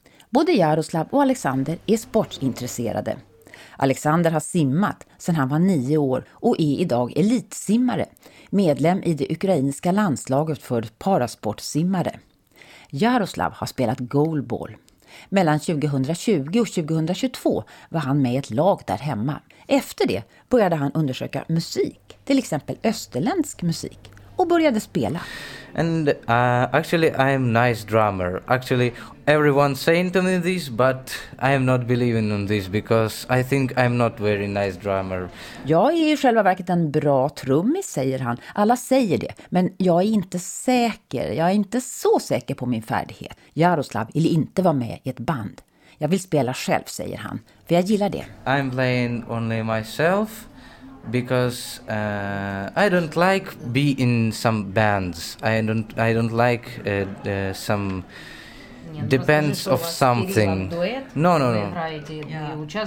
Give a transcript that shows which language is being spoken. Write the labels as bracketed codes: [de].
[sv] Både Jaroslav och Alexander är sportintresserade. Alexander har simmat sedan han var 9 år och är idag elitsimmare, medlem i det ukrainska landslaget för parasportsimmare. Jaroslav har spelat goalball. Mellan 2020 och 2022 var han med i ett lag där hemma. Efter det började han undersöka musik, till exempel österländsk musik, och började spela. [en] And actually I'm nice drummer. Actually everyone saying to me this, but I am not believing on this because I think I'm not very nice drummer. [sv] Jag är i själva verket en bra trummis, säger han. Alla säger det, men jag är inte säker. Jag är inte så säker på min färdighet. Jaroslav vill inte vara med i ett band. Jag vill spela själv, säger han, för jag gillar det. [en] I'm playing only myself. Because I don't like be in some bands. I don't like some depends of something. No.